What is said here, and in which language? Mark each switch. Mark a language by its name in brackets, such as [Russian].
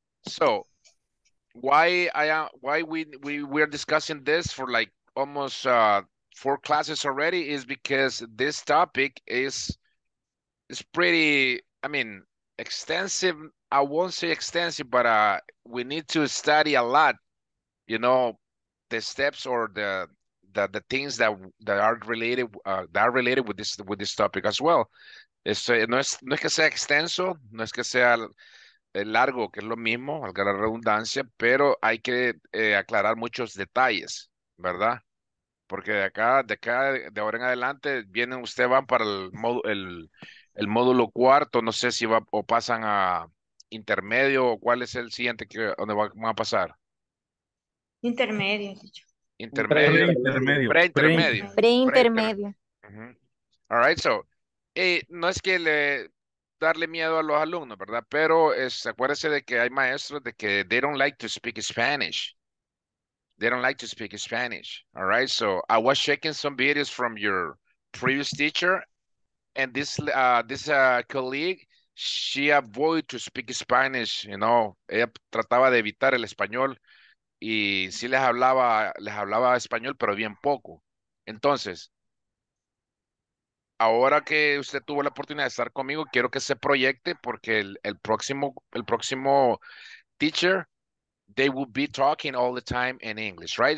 [English] So why we are discussing this for like almost four classes already is because this topic is pretty, I mean, extensive. I won't say extensive, but we need to study a lot, you know, the steps or the things that are related with this topic as well. [Spanish] No es que sea extenso, no es que sea largo, que es lo mismo, valga la redundancia, pero hay que aclarar muchos detalles, ¿verdad? Porque de acá, de ahora en adelante, vienen, ustedes van para el módulo cuarto, no sé si va o pasan a intermedio, o cuál es el siguiente que donde van a pasar. Intermedio. Intermedio. Pre-intermedio. Pre-intermedio. [English] All right, so, [Spanish] no es que le darle miedo a los alumnos, ¿verdad? Pero acuérdense de que hay maestros de que [English] they don't like to speak Spanish. They don't like to speak Spanish, all right? So I was checking some videos from your previous teacher, and this colleague, she avoided to speak Spanish, you know? [Spanish] Ella trataba de evitar el español, y sí les hablaba español, pero bien poco. Entonces, ahora que usted tuvo la oportunidad de estar conmigo, quiero que se proyecte, porque el próximo teacher, [English] they will be talking all the time in English, right?